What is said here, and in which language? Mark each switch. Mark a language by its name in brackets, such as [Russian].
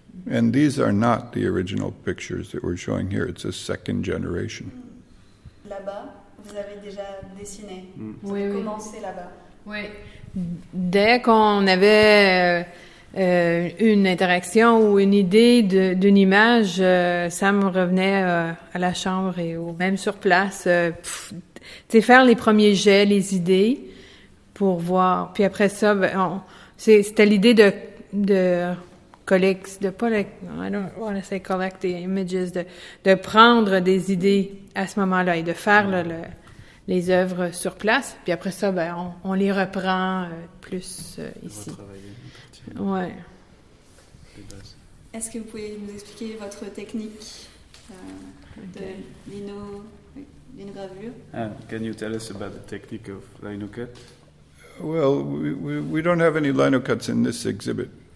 [English] And these are not the original pictures that we're showing here. It's a second generation. [French] Là-bas? Vous avez déjà dessiné, vous avez commencé là-bas. Oui, dès qu'on avait une interaction ou une idée d'une image, ça me revenait à la chambre et ou même sur place. T'sais, faire les premiers jets, les idées, pour voir. Puis après ça, c'était l'idée de prendre des idées à ce moment-là et de faire les œuvres sur place. Puis après ça, on les reprend plus ici. Ouais. Est-ce que vous pouvez nous expliquer votre technique de lino, linogravure? [English] Can you tell us about the technique of lino cut? Well, we don't have any lino cuts in this exhibit.